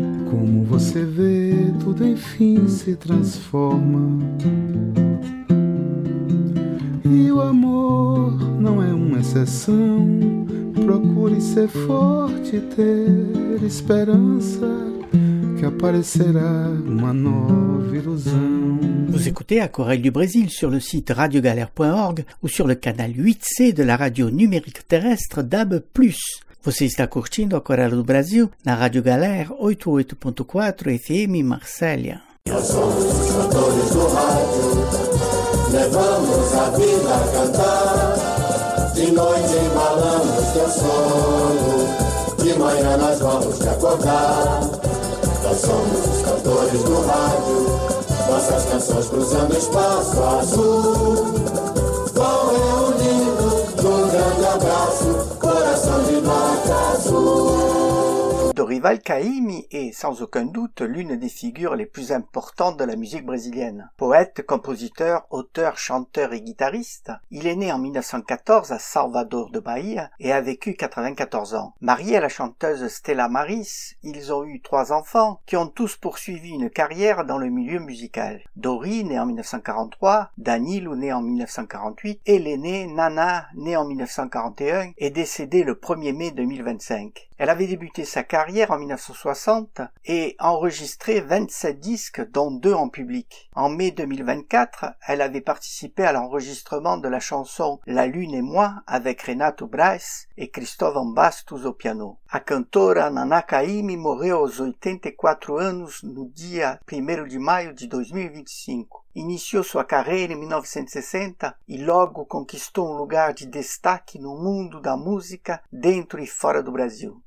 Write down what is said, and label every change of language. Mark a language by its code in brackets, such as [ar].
[pt] Como você vê, tudo enfim se transforma, e o amor não é uma exceção. Procure ser forte e ter esperança, que aparecerá uma nova ilusão. [fr] Vous écoutez à Corée du Brésil sur le site radiogalère.org ou sur le canal 8C de la radio numérique terrestre DAB+. [pt] Você está curtindo a Corée do Brasil na Rádio Galère 88.4 FM Marselha. Levamos a vida a cantar, de noite embalamos teu sono, de manhã nós vamos te acordar. Nós somos os cantores do rádio, nossas canções cruzando espaço azul. Vão reunindo num grande abraço, coração de vaca azul. [fr] Dorival Caymmi est sans aucun doute l'une des figures les plus importantes de la musique brésilienne. Poète, compositeur, auteur, chanteur et guitariste, il est né en 1914 à Salvador de Bahia et a vécu 94 ans. Marié à la chanteuse Stella Maris, ils ont eu 3 enfants qui ont tous poursuivi une carrière dans le milieu musical. Dori, né en 1943, Danilo, né en 1948, et l'aîné Nana, né en 1941, est décédé le 1er mai 2025. Elle avait débuté sa carrière en 1960 et enregistré 27 disques, dont 2 en public. En mai 2024, elle avait participé à l'enregistrement de la chanson « La Lune et moi » avec Renato Braz et Cristóvão Bastos au piano. [pt] A cantora Nana Caymmi morreu aos 84 anos no dia 1º de maio de 2025. Iniciou sua carreira em 1960 e logo conquistou um lugar de destaque no mundo da música dentro e fora do Brasil.